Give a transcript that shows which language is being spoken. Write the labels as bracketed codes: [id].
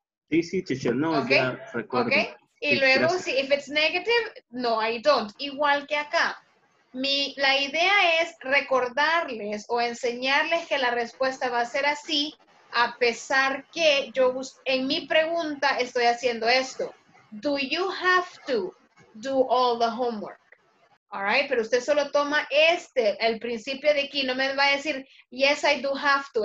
[es] Sí, sí, teacher. No, okay. Ya recuerdo. Okay. Y luego, si [en] if it's negative, no, I don't. [es] Igual que acá. La idea es recordarles o enseñarles que la respuesta va a ser así, a pesar que yo en mi pregunta estoy haciendo esto. [en] Do you have to do all the homework? [es] All right, pero usted solo toma este, el principio de aquí. No me va a decir, [en] yes, I do have to.